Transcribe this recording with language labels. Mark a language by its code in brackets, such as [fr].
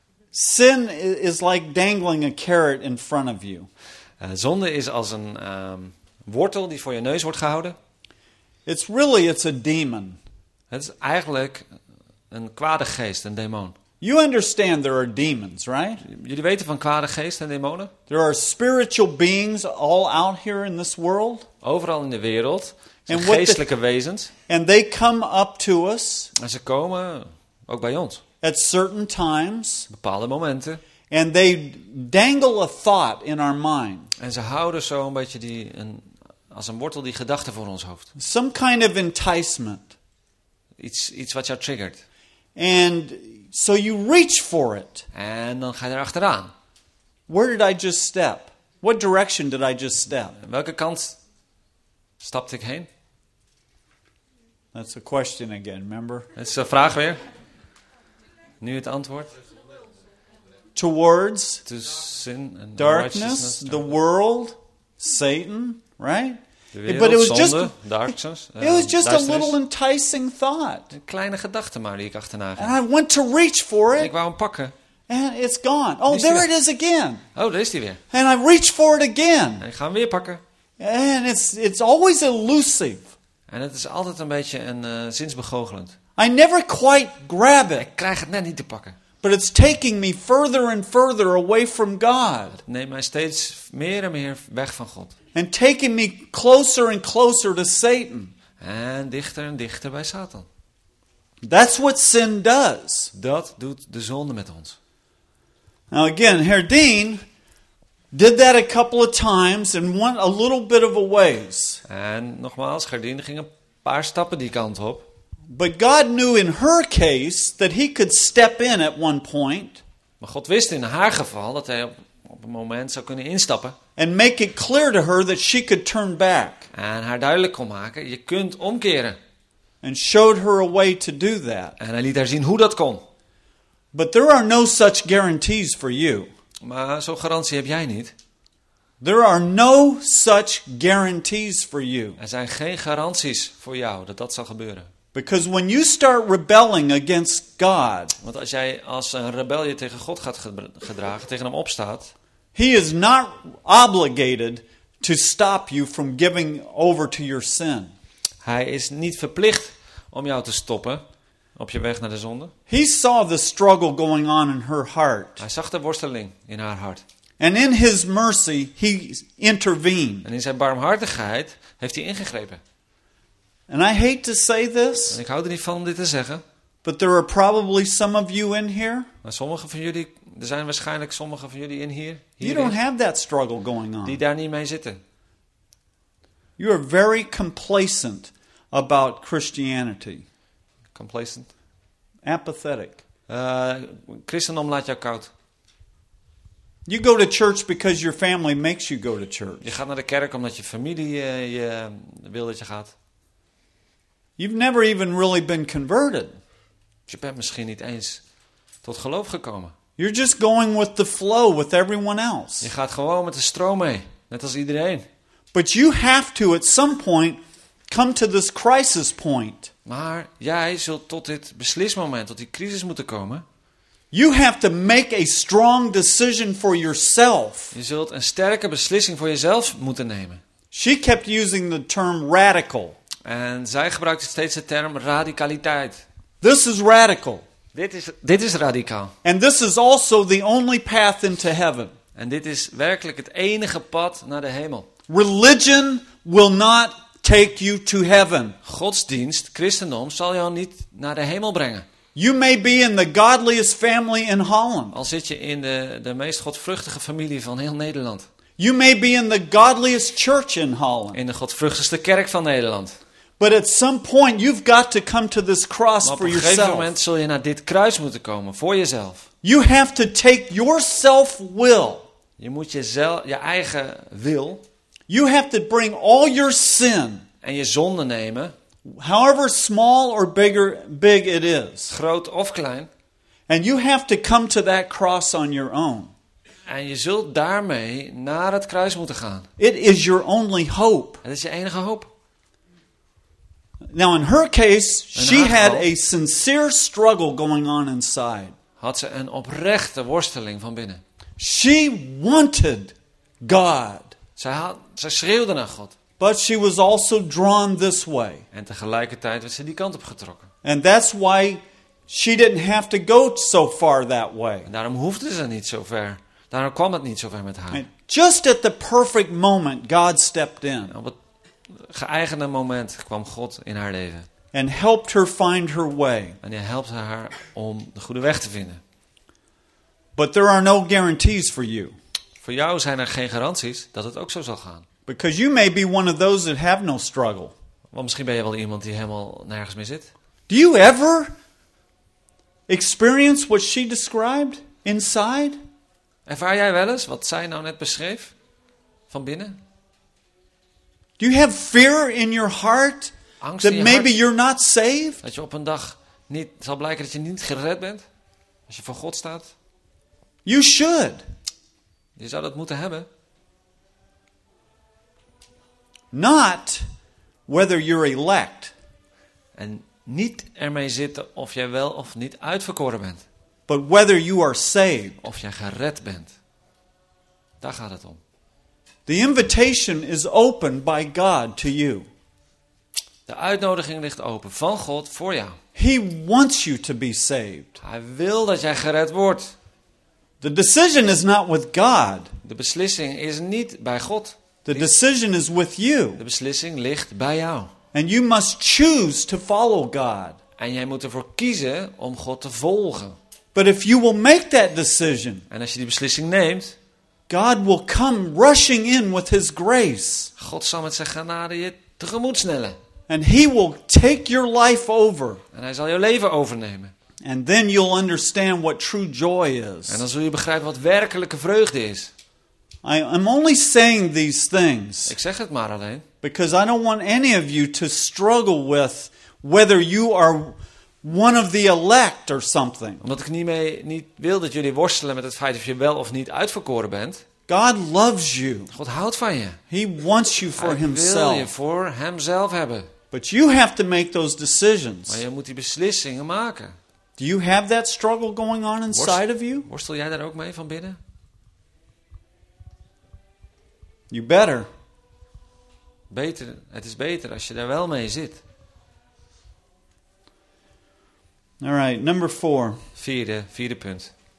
[en] Sin is like dangling a carrot in front of you. [nl] Zonde is als een wortel die voor je neus wordt gehouden. [en] It's a demon. [nl] Het is eigenlijk een kwade geest, een demon. [en] You understand there are demons, right? [nl] Jullie weten van kwade geesten en demonen? [en] There are spiritual beings all out here in this world. [nl] Overal in de wereld zijn geestelijke wezens. [en] And they come up to us. [nl] En ze komen ook bij ons. [en] At certain times. [nl] Bepaalde momenten. [en] And they dangle a thought in our mind. [nl] En ze houden zo een beetje als een wortel die gedachte voor ons hoofd. [en] Some kind of enticement. [nl] Iets wat jou triggert. [en] And so you reach for it. [nl] En dan ga je er achteraan. [en] Where did I just step? What direction did I just step? [nl] In welke kant stapte ik heen? [en] That's a question again, remember? [nl] Dat is de vraag weer. Nu het antwoord. [en] Towards to sin and darkness, the world, Satan, right? [nl] Wereld, [en] but it was just zonde, darkness, it was just a little enticing thought. [nl] Een kleine gedachte maar die ik achterna ging. [en] And I went to reach for it. [nl] En ik wou hem pakken. [en] And it's gone. Oh, there it is again. [nl] Oh, daar is die weer. [en] And I reach for it again. [nl] En ik ga hem weer pakken. [en] And it's always elusive. [nl] En het is altijd een beetje een zinsbegoochelend. [en] I never quite grab it. [nl] Ik krijg het net niet te pakken. [en] But it's taking me further and further away from God. [nl] Neemt mij steeds meer en meer weg van God. [en] And taking me closer and closer to Satan. [nl] En dichter bij Satan. [en] That's what sin does. [nl] Dat doet de zonde met ons. [en] Now again, Herr Dean did that a couple of times and went a little bit of a ways. [nl] En nogmaals, Herr Dean ging een paar stappen die kant op. [en] But God knew in her case that he could step in at one point. [nl] Maar God wist in haar geval dat hij op een moment zou kunnen instappen. [en] And make it clear to her that she could turn back. [nl] En haar duidelijk kon maken, je kunt omkeren. [en] And showed her a way to do that. [nl] En hij liet haar zien hoe dat kon. [en] But there are no such guarantees for you. [nl] Maar zo'n garantie heb jij niet. [en] There are no such guarantees for you. [nl] Er zijn geen garanties voor jou dat dat zal gebeuren. [en] Because when you start rebelling against God, [nl] want als jij als een rebellie tegen God gaat gedragen, tegen hem opstaat, [en] he is not obligated to stop you from giving over to your sin. [nl] Hij is niet verplicht om jou te stoppen op je weg naar de zonde. [en] He saw the struggle going on in her heart. [nl] Hij zag de worsteling in haar hart. [en] And in his mercy, he intervened. [nl] En in zijn barmhartigheid heeft hij ingegrepen. [en] And I hate to say this. [nl] En ik hou er niet van om dit te zeggen. [en] But there are probably some of you in here. [nl] Maar sommige van jullie, er zijn waarschijnlijk sommige van jullie in hier. [en] You don't have that struggle going on. [nl] Die daar niet mee zitten. [en] You are very complacent about Christianity. Complacent. Apathetic. [nl] Christendom laat jou koud. [en] You go to church because your family makes you go to church. [nl] Je gaat naar de kerk omdat je familie je wil dat je gaat. [en] You've never even really been converted. [nl] Je bent misschien niet eens tot geloof gekomen. [en] You're just going with the flow with everyone else. [nl] Je gaat gewoon met de stroom mee, net als iedereen. [en] But you have to at some point come to this crisis point. [nl] Maar jij zult tot dit beslismoment, tot die crisis moeten komen. [en] You have to make a strong decision for yourself. [nl] Je zult een sterke beslissing voor jezelf moeten nemen. [en] She kept using the term radical. [nl] En zij gebruikt steeds de term radicaliteit. [en] This is radical. [nl] Dit is radicaal. [en] And this is also the only path into heaven. [nl] En dit is werkelijk het enige pad naar de hemel. [en] Religion will not take you to heaven. [nl] Godsdienst, christendom, zal jou niet naar de hemel brengen. [en] You may be in the godliest family in Holland. [nl] Al zit je in de meest godvruchtige familie van heel Nederland. [en] You may be in the godliest church in Holland. [nl] In de godvruchtigste kerk van Nederland. [en] But at some point you've got to come to this cross for yourself. [nl] Op een gegeven moment zul je naar dit kruis moeten komen voor jezelf. [en] You have to take your self-will. [nl] Je moet jezelf, je eigen wil. [en] You have to bring all your sin. [nl] En je zonde nemen. [en] However small or bigger, big it is. [nl] Groot of klein. [en] And you have to come to that cross on your own. [nl] En je zult daarmee naar het kruis moeten gaan. [en] It is your only hope. [nl] Het is je enige hoop. [en] Now in her case, she had a sincere struggle going on inside. [nl] Had ze een oprechte worsteling van binnen. [en] She wanted God. [nl] Zij schreeuwde naar God. [en] But she was also drawn this way. [nl] En tegelijkertijd werd ze die kant op getrokken. [en] And that's why she didn't have to go so far that way. [nl] En daarom hoefde ze niet zo ver. Daarom kwam het niet zo ver met haar. [en] And just at the perfect moment, God stepped in. [nl] Op het geëigende moment kwam God in haar leven. [en] And helped her find her way. [nl] En hij helpt haar om de goede weg te vinden. [en] But there are no guarantees for you. [nl] Voor jou zijn er geen garanties dat het ook zo zal gaan. [en] Because you may be one of those that have no struggle. [nl] Want misschien ben je wel iemand die helemaal nergens meer zit. [en] Do you ever experience what she described inside? [nl] Ervaar jij wel eens wat zij nou net beschreef van binnen? [en] Do you have fear in your heart that maybe you're not saved? [nl] Dat je op een dag niet zal blijken dat je niet gered bent als je voor God staat. [en] You should. [nl] Je zou dat moeten hebben. [en] Not whether you're elect. [nl] En niet ermee zitten of jij wel of niet uitverkoren bent. [en] But whether you are saved. [nl] Of jij gered bent. Daar gaat het om. [en] The invitation is open by God to you. [nl] De uitnodiging ligt open van God voor jou. [en] He wants you to be saved. [nl] Hij wil dat jij gered wordt. [en] The decision is not with God. [nl] De beslissing is niet bij God. [en] The decision is with you. [nl] De beslissing ligt bij jou. [en] And you must choose to follow God. [nl] En jij moet ervoor kiezen om God te volgen. [en] But if you will make that decision, [nl] en als je die beslissing neemt, [en] God will come rushing in with his grace. [nl] God zal met zijn genade je tegemoet snellen. [en] And he will take your life over. [nl] En hij zal jouw leven overnemen. [en] And then you'll understand what true joy is. [nl] En dan zul je begrijpen wat werkelijke vreugde is. [en] I'm only saying these things. [nl] Ik zeg het maar alleen. [en] Because I don't want any of you to struggle with whether you are one of the elect or something. [nl] Omdat ik niet wil dat jullie worstelen met het feit of je wel of niet uitverkoren bent. [en] God loves you. [nl] God houdt van je. [en] He wants you for himself. [nl] Hij wil je voor hemzelf hebben. [en] But you have to make those decisions. [nl] Maar je moet die beslissingen maken. [en] Do you have that struggle going on inside of you? [nl] Worstel jij daar ook mee van binnen? [en] You better. [nl] Beter, het is beter als je daar wel mee zit. [en] All right, number four. [nl] Vierde punt.